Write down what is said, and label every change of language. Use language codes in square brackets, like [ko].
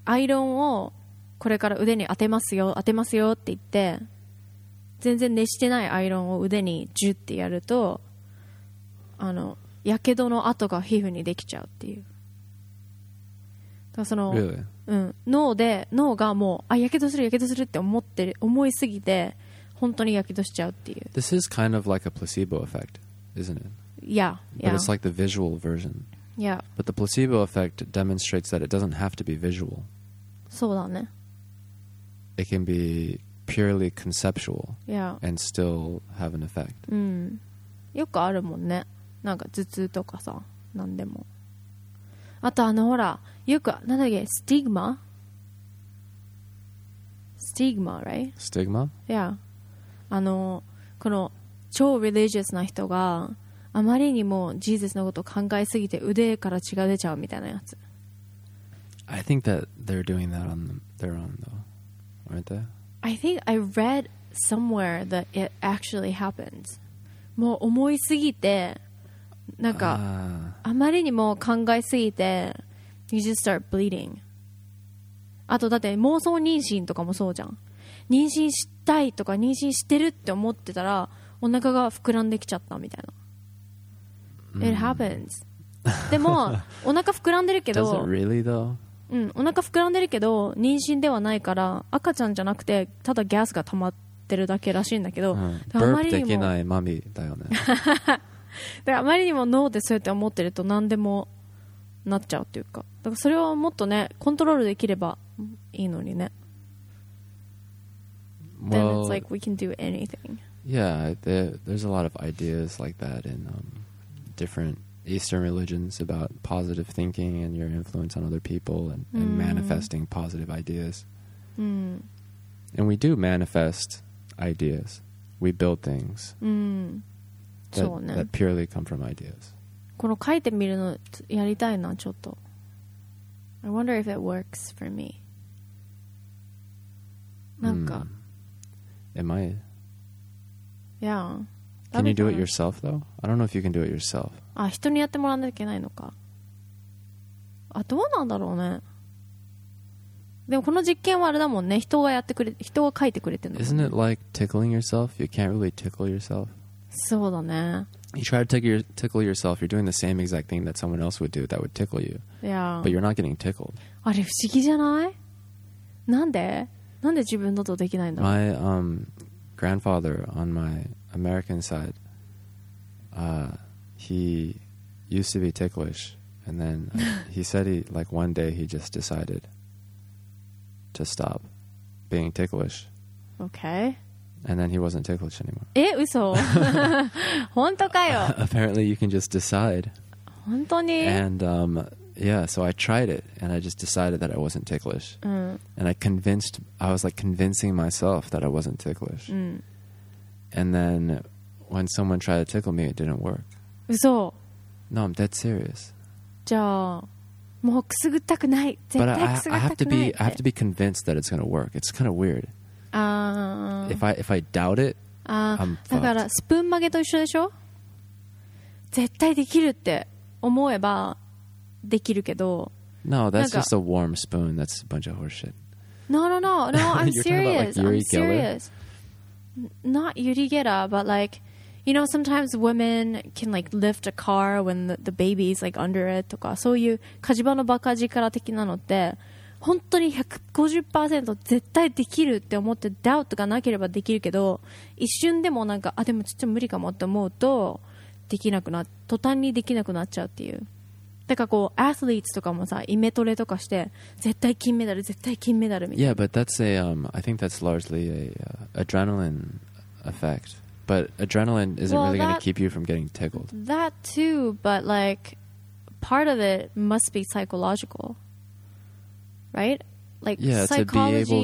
[ja] アイロンをこれから腕に当てますよ、当てますよって言って、全然熱してないアイロンを腕にジュってやると、あの、やけどの跡が皮膚にできちゃうっていう。だからその、 [en] really? [ja] うん、脳がもう、あ、やけどする、やけどするって思ってる、思いすぎて、本当にやけどしちゃうっていう。 [en] This is kind of like a placebo effect, isn't it? Yeah, yeah. But it's like the visual version. Yeah. But the placebo effect demonstrates that it doesn't have to be visual. [ja] そうだね。 [en] It can be purely conceptual. Yeah. And still have an effect. [ja] うん。よくあるもんね。なんか頭痛とかさ、なんでも。あとあのほら、よくなんだっけ、stigma? [en] Stigma, right? Stigma? Yeah. [ja] あの、この超 religious な人が、あまりにもジーゼスのことを考えすぎて腕から血が出ちゃうみたいなやつ。 [en] I think that they're doing that on their own though, aren't they? I think I read somewhere that it actually happens. [ja] もう思いすぎて、なんか、あまりにも考えすぎて、 [en] you just start bleeding. [ja] あとだって妄想妊娠とかもそうじゃん。妊娠したいとか妊娠してるって思ってたら、お腹が膨らんできちゃったみたいな。 [en] It happens. [ja] でもお腹膨らんでるけど、 [en] Does it really though? [ja] うん、お腹膨らんでるけど妊娠ではないから赤ちゃんじゃなくてただガスが溜まってるだけらしいんだけど、うん、あまりにもできないマミだよね。だからあまりにも脳でそうやって思ってると何でもなっちゃうっていうか、だからそれをもっとねコントロールできればいいのにね。 [en] Well, then it's like we can do anything. Yeah, there's a lot of ideas like that in. Different Eastern religions about positive thinking and your influence on other people and manifesting positive ideas. And we do manifest ideas. We build things that purely come from ideas. [ja] この書いてみるのやりたいな、ちょっと。 [en] I wonder if it works for me. [ja] なんか。 [en] Am I? Yeah. Can you do it yourself, though? I don't know if you can do it yourself. [ja] あ、人にやってもらわなきゃいけないのか。あ、どうなんだろうね。でもこの実験はあれだもんね。人がやってくれ、人が書いてくれてるの。 [en] Isn't it like tickling yourself? You can't really tickle yourself. [ja] そうだね。 [en] You try to tickle yourself, you're doing the same exact thing that someone else would do that would tickle you. Yeah. But you're not getting tickled. [ja] あれ不思議じゃない？なんで？なんで自分のとできないの？ [en] My, grandfather on my... American side, he used to be ticklish, and then he said he, like, one day he just decided to stop being ticklish. Okay. And then he wasn't ticklish anymore. [ja] え、嘘。本当かよ。 [en] Apparently, you can just decide. [ja] 本当に。 [en] And, yeah, so I tried it, and I just decided that I wasn't ticklish. [ja] うん。 [en] And I was, like, convincing myself that I wasn't ticklish. [ja] うん。 [en] And then when someone tried to tickle me, it didn't work. [ja] 嘘。 [en] No, I'm dead serious. [ja] じゃあ、もうくすぐったくない。絶対くすぐったくない。 [en] But I have to be convinced that it's going to work. It's kind of weird. If I doubt it, I'm fucked. [ja] だからスプーン曲げと一緒でしょ？絶対できるって思えばできるけど。 [en] No, that's just a warm spoon. That's a bunch of horseshit. No, I'm serious. You're talking about like Yuri Geller? Not Yuri Geller, but like, you know, sometimes women can like lift a car when the baby is like under it [ja] とか、そういう火事場のバカ力的なのって本当に 150% 絶対できるって思ってダウトがなければできるけど、一瞬でもなんか、あ、でもちょっと無理かもって思うとできなくな、途端にできなくなっちゃうっていう。だからこうアスリートとかもさ、イメトレとかして絶対金メダル、絶対金メダルみたいな。 [en] Yeah, but that's a, I think that's largely a, adrenaline effect. But adrenaline isn't well, really going to keep you from getting tickled. That too, but like part of it must be psychological. Right? Like yeah, psychology.